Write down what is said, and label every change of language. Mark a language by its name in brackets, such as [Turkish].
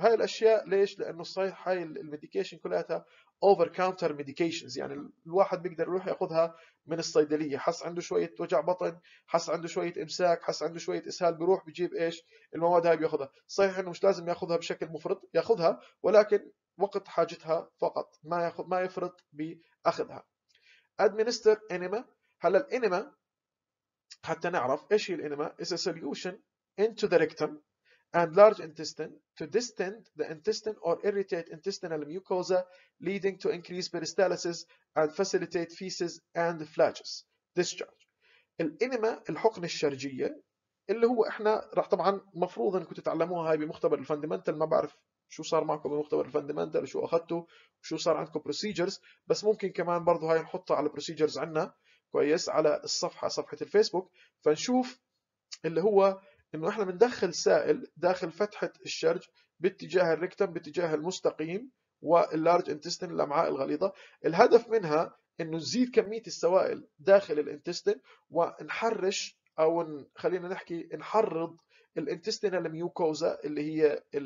[Arabic] هاي الاشياء ليش؟ لانه صحيح هاي الميديكيشن كلها اوفر كاونتر ميديكيشنز، يعني الواحد بيقدر يروح ياخذها من الصيدليه، حس عنده شويه وجع بطن، حس عنده شويه امساك، حس عنده شويه اسهال، بيروح بيجيب ايش المواد هاي بياخذها. صحيح انه مش لازم ياخذها بشكل مفرط، ياخذها ولكن وقت حاجتها فقط، ما ياخذ ما يفرط باخذها. [English] administer enema. [Arabic] هلا الانما حتى نعرف ايش هي الانما، [English] is a solution into the rectum and large intestine to distend the intestine or irritate intestinal mucosa leading to increased peristalsis and facilitate feces and flatus discharge. [Arabic] الانما الحقن الشرجيه اللي هو احنا راح طبعا مفروض انكم تتعلموها هاي بمختبر الفاندمنتال، ما بعرف شو صار معكم بمختبر الفاندمنتال، شو اخذته وشو صار عندكم بروسيجرز، بس ممكن كمان برضو هاي نحطها على بروسيجرز عندنا. كويس، على الصفحه، صفحه الفيسبوك، فنشوف اللي هو انه احنا بندخل سائل داخل فتحه الشرج باتجاه الريكتم، باتجاه المستقيم واللارج انتستين، الامعاء الغليظه، الهدف منها انه نزيد كميه السوائل داخل الانتستين ونحرش، او خلينا نحكي نحرض الانتستينال ميوكوزا اللي هي